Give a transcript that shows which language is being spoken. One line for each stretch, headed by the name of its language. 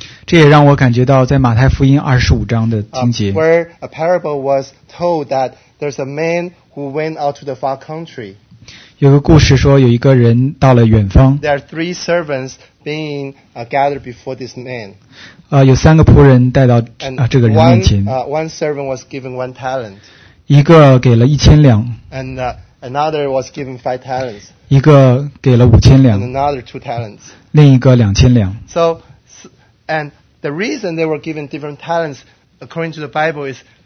Chinese: 这也让我感觉到在马太福音二十五章的经节
English: where a parable was told that. There's a man who went out to the far country.
Chinese: 有个故事说有一个人到了远方。
English: There are three servants being gathered before this man.
Chinese: 有三个仆人带到这个人面前。
English: One servant was given one talent.
Chinese: 一个给了一千两。
English: And another was given five talents.
Chinese: 一个给了五千两。
English: And another two talents.
Chinese: 另一个两千两。
English: So, and the reason they were given different talents, according to the Bible, is.